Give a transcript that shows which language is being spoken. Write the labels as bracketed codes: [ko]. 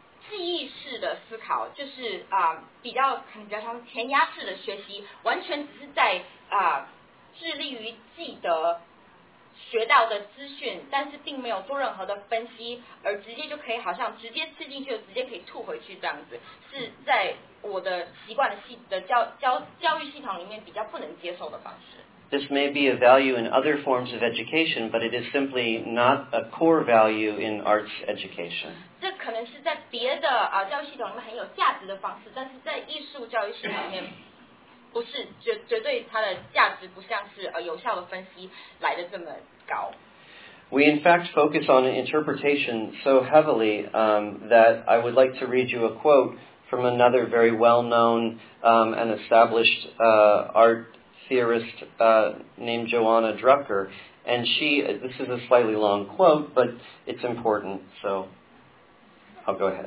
[zh] 记忆式的思考就是比较像填鸭式的学习，完全只是在致力于记得学到的资讯，但是并没有做任何的分析，而直接就可以好像直接吃进去，直接可以吐回去这样子，是在我的习惯的教育系统里面比较不能接受的方式。 [en] This may be a value in other forms of education, but it is simply not a core value in arts education. [zh] 这可能是在别的教育系统里面很有价值的方式，但是在艺术教育系统里面，不是绝对它的价值不像是有效的分析来的这么高。 [en] We in fact focus on interpretation so heavily that I would like to read you a quote from another very well-known and established art theorist named Joanna Drucker, and she, this is a slightly long quote, but it's important, so I'll go ahead.